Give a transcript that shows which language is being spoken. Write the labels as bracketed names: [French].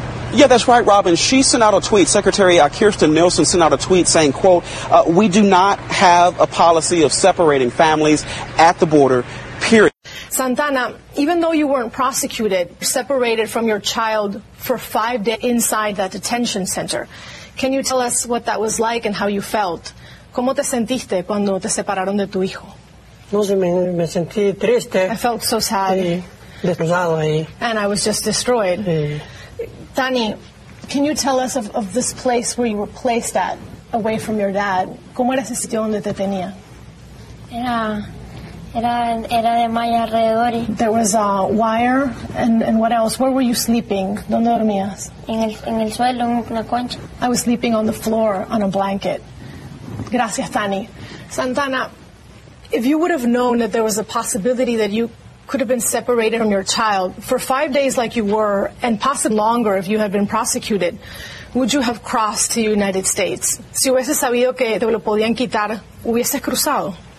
[English] Yeah, that's right, Robin. She sent out a tweet. Secretary Kirstjen Nielsen sent out a tweet saying, quote, "We do not have a policy of separating families at the border, period." Santana, even though you weren't prosecuted, separated from your child for 5 days inside that detention center, can you tell us what that was like and how you felt? [Spanish] ¿Cómo te sentiste cuando te separaron de tu hijo? No sé, me sentí triste. [English] I felt so sad. [Spanish] Destrozado ahí. [English] And I was just destroyed. [Spanish] Sí. [English] Tani, can you tell us of this place where you were placed at, away from your dad? [Spanish] ¿Cómo era ese sitio donde te tenía? Era de malla alrededor. [English] There was a wire, and what else? Where were you sleeping? [Spanish] ¿Dónde dormías? En el suelo, en una concha. [English] I was sleeping on the floor, on a blanket. [Spanish] Gracias, Tani. [English] Santana, if you would have known that there was a possibility that you could have been separated from your child for 5 days like you were, and possibly longer if you had been prosecuted, would you have crossed to the United States? [Spanish] Si hubieses sabido que te lo podían quitar, hubieses cruzado.